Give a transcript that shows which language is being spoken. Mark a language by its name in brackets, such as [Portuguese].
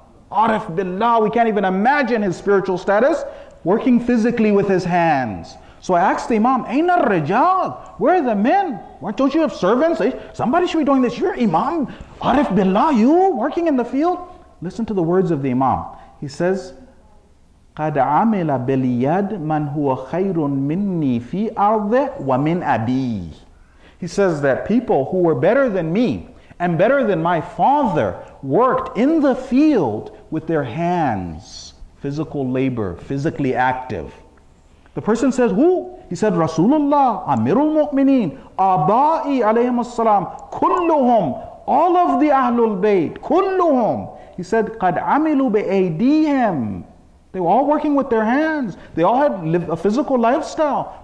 [English] Arif billah, we can't even imagine his spiritual status, working physically with his hands. So I asked the Imam, [Arabic] Aina rijal? [English] Where are the men? Why don't you have servants? Somebody should be doing this. You're Imam. Arif billah, you working in the field? Listen to the words of the Imam. [Arabic] He says, قَدْ عَمِلَ بِالْيَدِ مَنْ هُوَ خَيْرٌ مِنِّي فِي أَرْضِهِ وَمِنْ أَبِيهِ. [English] He says that people who were better than me and better than my father worked in the field with their hands, physical labor, physically active. The person says, who? He said, Rasulullah, Amirul Mu'mineen, [Arabic] Abai alayhim as-salam, kulluhum, [English] all of the Ahlul Bayt, kulluhum. [Arabic] He said, قَدْ عَمِلُوا بِأَيْدِيهِمْ. [English] They were all working with their hands. They all had a physical lifestyle.